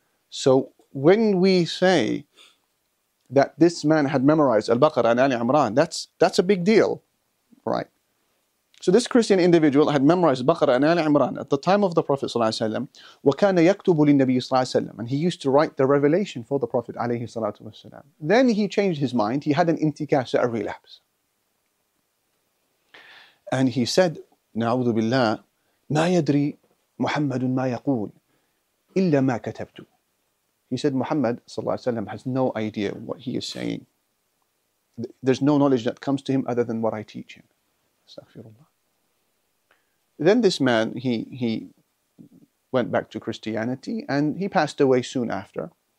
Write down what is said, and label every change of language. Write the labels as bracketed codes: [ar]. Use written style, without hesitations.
[en] So when we say that this man had memorized Al-Baqarah and Ali Imran, that's a big deal, right? So this Christian individual had memorized Baqarah and Ali Imran at the time of the Prophet ﷺ, [ar] وَكَانَ يَكْتُبُ لِلنَّبِيِّ ﷺ, [en] and he used to write the revelation for the Prophet ﷺ. Then he changed his mind, he had an intikasa, a relapse. And he said, [ar] نَعُوذُ بِاللَّهِ مَا يَدْرِي مُحَمَّدٌ مَا يَقُولُ إِلَّا مَا كَتَبْتُ. [en] He said, Muhammad ﷺ has no idea what he is saying. There's no knowledge that comes to him other than what I teach him. Astaghfirullah. Then this man, he went back to Christianity, and he passed away soon after.